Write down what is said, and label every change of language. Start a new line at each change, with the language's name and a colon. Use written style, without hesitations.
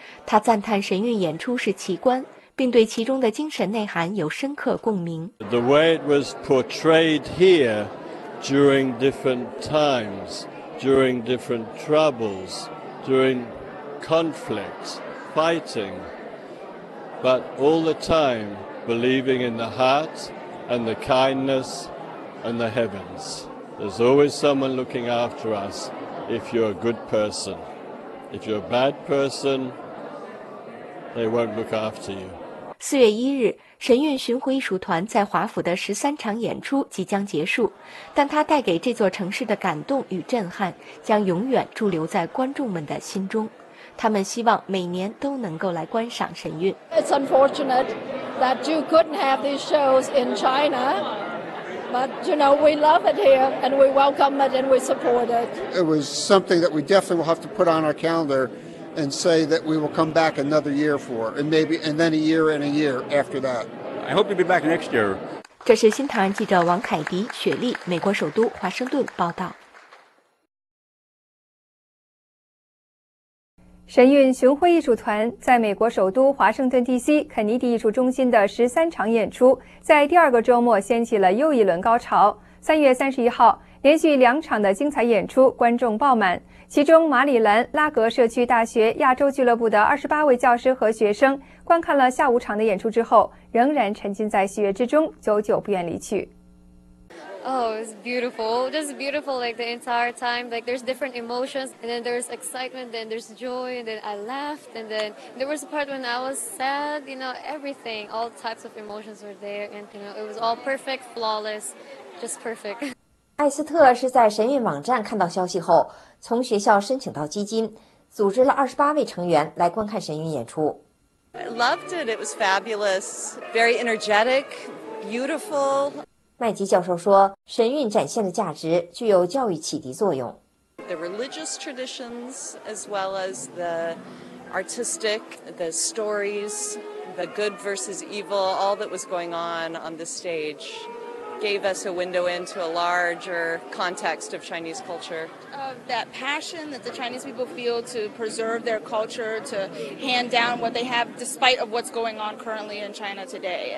Chinese: 他赞叹神韵演出是奇观，并对其中的精神内涵有深刻共鸣。
English: The way it was portrayed here during different times, during different troubles, during conflicts, fighting, but all the time believing in the heart and the kindness and the heavens. There's always someone looking after us if you're a good person. If you're a bad person, they won't look after you.
Chinese: 4月1日，神韵巡回艺术团在华府的13场演出即将结束，但它带给这座城市的感动与震撼将永远驻留在观众们的心中。他们希望每年都能够来观赏神韵。
English: It's unfortunate that you couldn't have these shows in China, but you know, we love it here and we welcome it and we support it. It was something that we definitely will have to put on our calendar and say that we will come back another year for, and maybe, and then a year and a year after that. I hope you'll be back next year.
Chinese: 这是新唐人记者王凯迪、雪莉，美国首都华盛顿报道。神韵巡回艺术团在美国首都华盛顿 DC 肯尼迪艺术中心的13场演出在第二个周末掀起了又一轮高潮。 3月31号连续两场的精彩演出观众爆满，其中马里兰拉格社区大学亚洲俱乐部的28位教师和学生观看了下午场的演出之后，仍然沉浸在喜悦之中，久久不愿离去。
English: Oh, it's beautiful. Just beautiful, like the entire time. Like there's different emotions, and then there's excitement, then there's joy, and then I laughed, and then there was a part when I was sad. You know, everything, all types of emotions were there, and you know, it was all perfect, flawless, just perfect.
Chinese: 艾斯特是在神韵网站看到消息后，从学校申请到基金，组织了28位成员来观看神韵演出。
English: I loved it. It was fabulous. Very energetic, beautiful.
Chinese: 麦吉教授说，神韵展现的价值具有教育启迪作用。
English: The religious traditions as well as the artistic, the stories, the good versus evil, all that was going on the stage gave us a window into a larger context of Chinese culture. That passion that the Chinese people feel to preserve their culture, to hand down what they have despite of what's going on currently in China today.